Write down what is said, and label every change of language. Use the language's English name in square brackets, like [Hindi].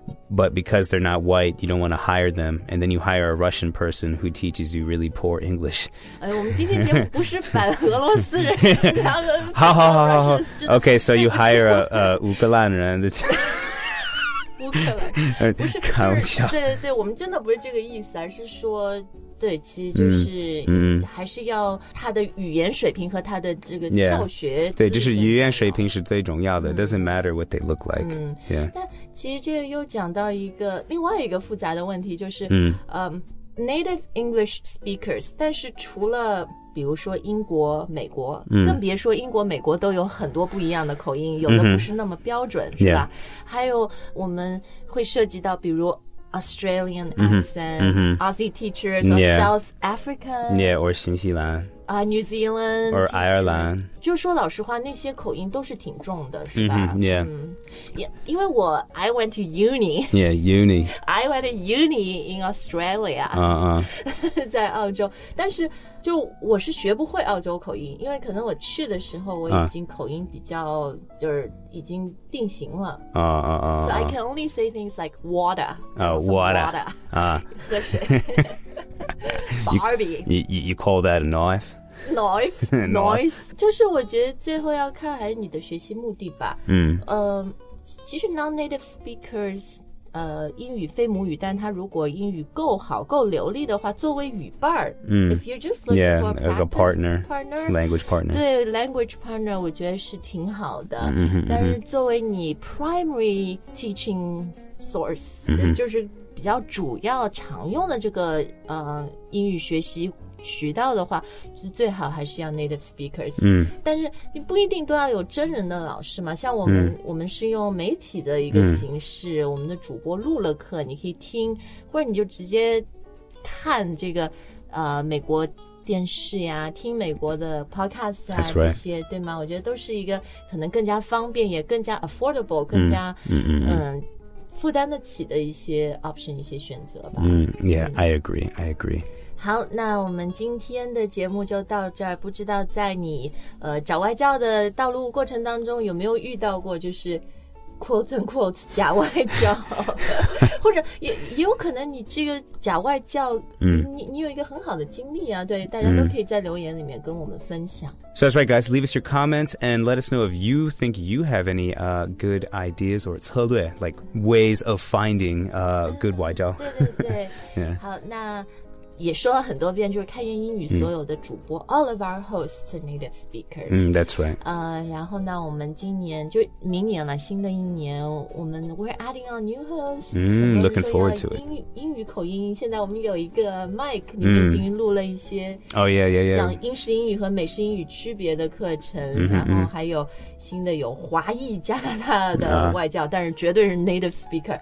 [English] But because they're not white, you don't want to hire them. And then you hire a Russian person who teaches you really poor English. [Chinese] 哎，我们今天节目不是反俄罗斯人，好好好好好。 [English] Okay, so you hire a 乌克兰人。 [Chinese] 乌克兰不是，对对对，我们真的不是这个意思，而是说，对，其实就是还是要他的语言水平和他的这个教学。 Yeah, 对，就是语言水平是最重要的。 [English] Doesn't matter what they look like. [Chinese] 但其实这个又讲到一个另外一个复杂的问题，就是 [English] native English speakers， [Chinese] 但是除了。比如说英国美国、更别说英国美国都有很多不一样的口音有的不是那么标准、是吧、还有我们会涉及到比如 [English] Australian accent, mm-hmm. Aussie teachers, or yeah. South Africa. Yeah, or 新西兰。 New Zealand. Or Ireland. [Chinese] 就是说老实话那些口音都是挺重的是吧、mm-hmm, [English] yeah. [Chinese] 因为我 [English] I went to uni. Yeah, uni. I went to uni in Australia. [Chinese] 在澳洲。但是就我是学不会澳洲口音因为可能我去的时候我已经口音比较、就是已经定型了。 [English] So I can only say things like water. Water. Water. [Chinese] 喝水。 [English] Barbie. You call that a knife? [Chinese] Knife 就是我觉得最后要看还是你的学习目的吧嗯、其实 [English] non-native speakers [Chinese] 英语非母语但他如果英语够好够流利的话作为语伴、嗯、 [English] if you're just looking yeah, for a practice partner language partner [Chinese] 对 [English] language partner [Chinese] 我觉得是挺好的、嗯、但是作为你 [English] primary teaching source、嗯、 [Chinese] 就是比较主要常用的这个、英语学习渠道的话最好还是要 [English] native speakers、嗯、 [Chinese] 但是你不一定都要有真人的老师嘛像我们、嗯、我们是用媒体的一个形式、嗯、我们的主播录了课你可以听或者你就直接看这个美国电视呀听美国的 podcast 啊、 [English] right. [Chinese] 这些对吗我觉得都是一个可能更加方便也更加 affordable 更加 负担得起的一些 option 一些选择吧、 [English] yeah I agree [Chinese] 好那我们今天的节目就到这儿不知道在你找外教的道路过程当中有没有遇到过就是 [English] quote unquote [Chinese] 假外教或者也有可能你这个假外教、你有一个很好的经历啊对大家都可以在留言里面跟我们分享 [English] So that's right guys leave us your comments and let us know if you think you have any good ideas or 策略 like ways of finding good 外教 [Chinese] 对对对 、 [English] yeah. [Chinese] 好那也说了很多遍就是开源英语所有的主播、 [English] all of our hosts are native speakers、 that's right、 [Chinese] 然后呢我们今年就明年了新的一年我们 [English] we're adding on new hosts、 looking forward to it [Chinese] 英语口音现在我们有一个 mic 里面已经录了一些、讲英式英语和美式英语区别的课程、然后还有新的有华裔加拿大的外教、但是绝对是 native speaker